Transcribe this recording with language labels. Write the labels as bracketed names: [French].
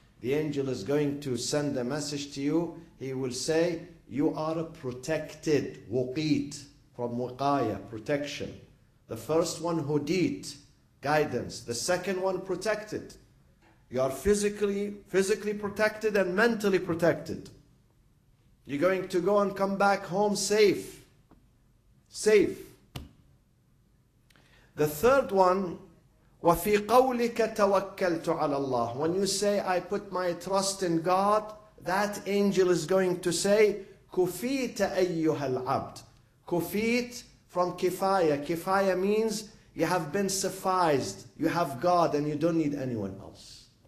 [English] The angel is going to send a message to you. He will say, you are protected, وُقِيت, from وِقَايَة, protection. The first one, هُدِيت, guidance. The second one, protected. You are physically protected and mentally protected. You're going to go and come back home safe. Safe. The third one, [Arabic] وَفِي قَوْلِكَ تَوَكَّلْتُ عَلَى اللَّهِ. [English] When you say, I put my trust in God, that angel is going to say, [Arabic] كُفِيتَ أَيُّهَا الْعَبْدِ. [English] كُفِيت, from kifaya. Kifaya means you have been sufficed. You have God and you don't need anyone else.